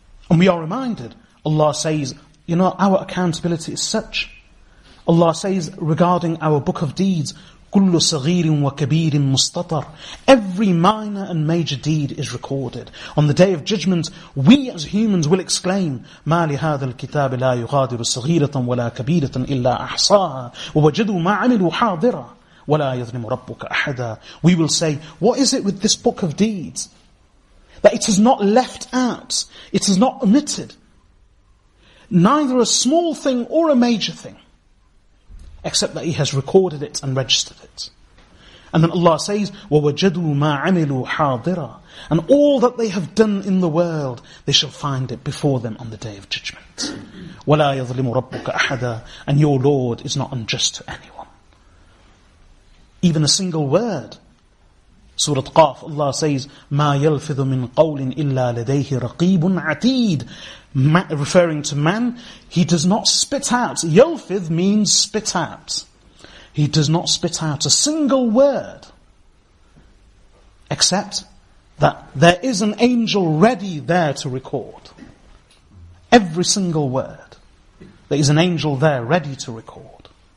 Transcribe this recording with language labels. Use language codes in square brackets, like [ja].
[en] And we are reminded, Allah says, you know, our accountability is such. Allah says regarding our book of deeds, [ar] كل صغير وكبير مستطر. [en] Every minor and major deed is recorded. On the day of judgment, we as humans will exclaim, [ar] ما لهذا الكتاب لا يغادر صغيرة ولا كبيرة إلا أحصاها ووجدوا ما عملوا حاضرا ولا يظلم ربك أحدا. [en] We will say, what is it with this book of deeds that it is not left out, it is not omitted, neither a small thing or a major thing, except that he has recorded it and registered it. And then Allah says, [ar] وَوَجَدُوا مَا عَمِلُوا حَاضِرًا. [en] And all that they have done in the world, they shall find it before them on the day of judgment. [ar] وَلَا يَظْلِمُ رَبُّكَ أَحَدًا. [en] And your Lord is not unjust to anyone. Even a single word. [ar] Surah Qaf, Allah says, مَا يَلْفِذُ مِنْ قَوْلٍ إِلَّا لَدَيْهِ رَقِيبٌ عَتِيدٌ. [en] Referring to man, he does not spit out. Yalfidh means spit out. He does not spit out a single word, except that there is an angel ready there to record. Every single word, there is an angel there ready to record.